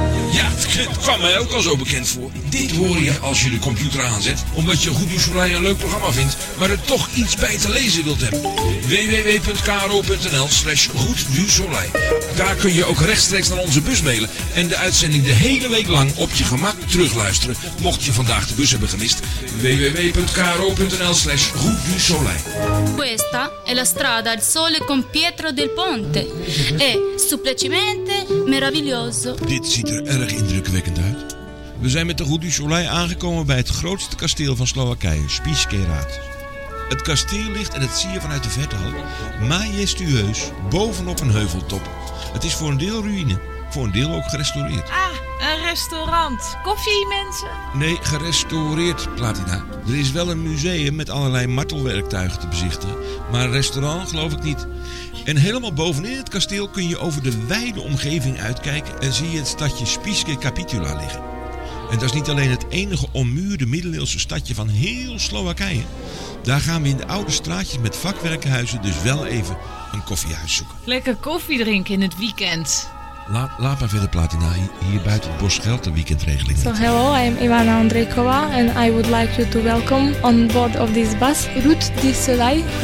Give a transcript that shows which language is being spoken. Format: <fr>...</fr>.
<nl>Ja, het kwam mij ook al zo bekend voor. Dit hoor je als je de computer aanzet, omdat je Goed Nieuws Soleil een leuk programma vindt, maar er toch iets bij te lezen wilt hebben. www.kro.nl/goednieuwssoleil. Daar kun je ook rechtstreeks naar onze bus mailen en de uitzending de hele week lang op je gemak terugluisteren, mocht je vandaag de bus hebben gemist. www.kro.nl/goednieuwssoleil.</nl> <it>Questa è la strada al sole con Pietro del Ponte. È supplecimente meraviglioso.</it> <nl>Dit ziet er erg indrukwekkend uit. We zijn met de Goed Nieuws Soleil aangekomen bij het grootste kasteel van Slowakije, Spišské Hrad. Het kasteel ligt, en dat zie je vanuit de verte al, majestueus bovenop een heuveltop. Het is voor een deel ruïne, voor een deel ook gerestaureerd. Ah, een restaurant. Koffie, mensen? Nee, gerestaureerd, Platina. Er is wel een museum met allerlei martelwerktuigen te bezichtigen, maar een restaurant geloof ik niet. En helemaal bovenin het kasteel kun je over de wijde omgeving uitkijken en zie je het stadje Spišské Kapitula liggen. En dat is niet alleen het enige ommuurde middeleeuwse stadje van heel Slowakije. Daar gaan we in de oude straatjes met vakwerkhuizen dus wel even een koffiehuis zoeken. Lekker koffie drinken in het weekend. Laat maar verder, Platina. Hier buiten het bos geldt de weekendregeling.</nl> <en>So hello, I'm Ivana Andrejkova and I would like you to welcome on board of this bus Rut de Soleil.</en>